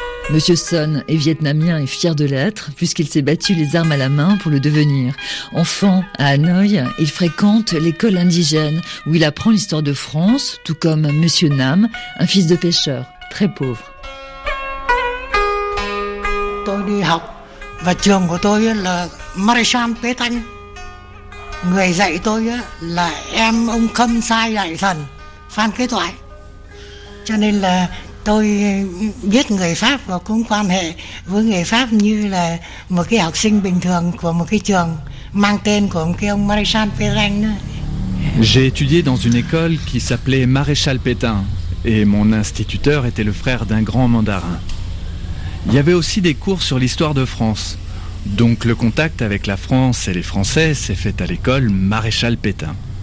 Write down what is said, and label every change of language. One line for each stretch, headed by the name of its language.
French: Monsieur Son est vietnamien et fier de l'être, puisqu'il s'est battu les armes à la main pour le devenir. Enfant à Hanoï, il fréquente l'école indigène, où il apprend l'histoire de France, tout comme Monsieur Nam, un fils de pêcheur, très pauvre.
Vietnamese: Tôi đi học và trường của tôi là Marisham Pê Thanh. Người dạy tôi là em ông Khâm Sai Đại Thần, Phan Kế Toại. Cho nên là tôi biết người Pháp và cũng quan hệ với người Pháp như là một cái học sinh bình thường của một cái trường mang tên của một cái ông Maréchal Pétain.
French: J'ai étudié dans une école qui s'appelait Maréchal Pétain et mon instituteur était le frère d'un grand mandarin. Il y avait aussi des cours sur l'histoire de France. Donc le contact avec la France et les Français s'est fait à l'école Maréchal Pétain.